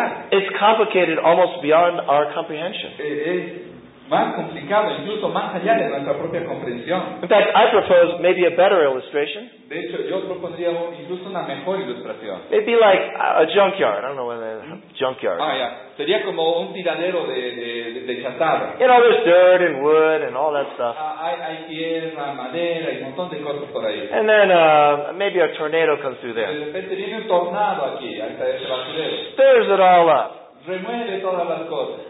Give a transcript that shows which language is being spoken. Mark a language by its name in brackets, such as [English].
[English] It's complicated almost beyond our comprehension. [Spanish] Más complicado, incluso más allá de nuestra propia comprensión. [English] In fact, I propose maybe a better illustration. [Spanish] De hecho, yo propondría incluso una mejor ilustración. [English] It'd be like a junkyard. I don't know what that is. Junkyard. Ah, ya. Yeah. [Spanish] Sería como un tiradero de chatarra. [English] You know, there's dirt and wood and all that stuff. [Spanish] Hay tierra, madera y un montón de cosas por ahí. [English] And then maybe a tornado comes through there. [Spanish] De repente viene un tornado aquí, hasta ese basurero. [English] Stirs it all up. [Spanish] Remueve todas las cosas.